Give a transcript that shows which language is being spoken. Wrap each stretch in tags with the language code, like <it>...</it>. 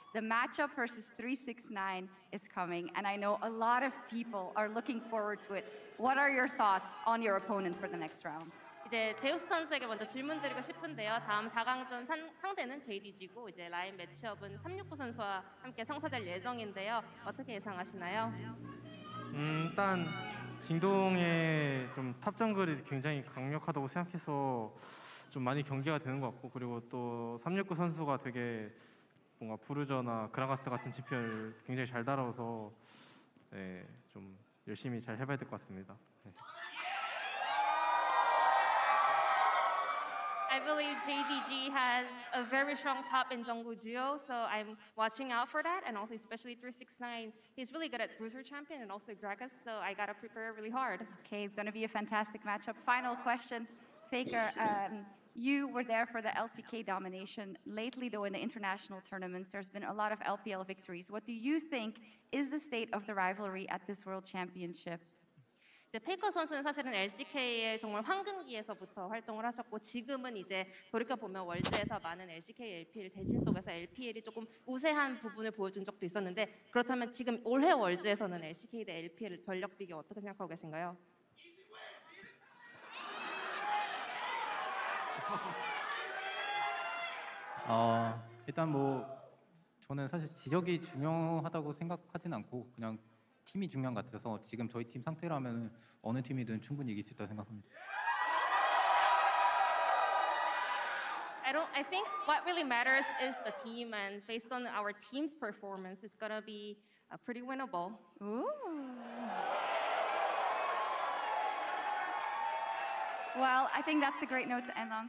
<en>The matchup versus 369 is coming, and I know a lot of people are looking forward to it. What are your thoughts on your opponent for the next round?</en> <ko>이제 제우스 선수에게 먼저 질문 드리고 싶은데요. 다음 4강전 상대는 JDG고 이제 라인 매치업은 369 선수와 함께 성사될 예정인데요. 어떻게 예상하시나요? 일단 진동의 좀 탑 정글이 굉장히 강력하다고 생각해서 좀 많이 경기가 되는 것 같고 그리고 또 369 선수가 되게 뭔가 부르저나 그라가스 같은 지표를 굉장히 잘 달아서 네, 좀 열심히 잘 해봐야 될 것 같습니다. 네.</ko> <en>I believe JDG has a very strong top in jungle duo, so I'm watching out for that. And also, especially 369, he's really good at Bruiser Champion and also Gragas, so I gotta prepare really hard. Okay, it's gonna be a fantastic matchup. Final question, Faker. You were there for the LCK domination. Lately, though, in the international tournaments, there's been a lot of LPL victories. What do you think is the state of the rivalry at this World Championship?</en> <ko>이제 페이커 선수는 사실은 LCK의 정말 황금기에서부터 활동을 하셨고 지금은 이제 돌이켜보면 월드에서 많은 LCK, LPL 대진 속에서 LPL이 조금 우세한 부분을 보여준 적도 있었는데 그렇다면 지금 올해 월드에서는 LCK 대 LPL 전력 비교 어떻게 생각하고 계신가요? 일단 뭐 저는 사실 지적이 중요하다고 생각하진 않고 그냥 팀이 중요한 것 같아서 지금 저희 팀 상태라면 어느 팀이든 충분히 이길 수 있다고 생각합니다.</ko> <en>I think what really matters is the team and based on our team's performance it's going to be pretty winnable. Ooh. Well, I think that's a great note to end on.</en>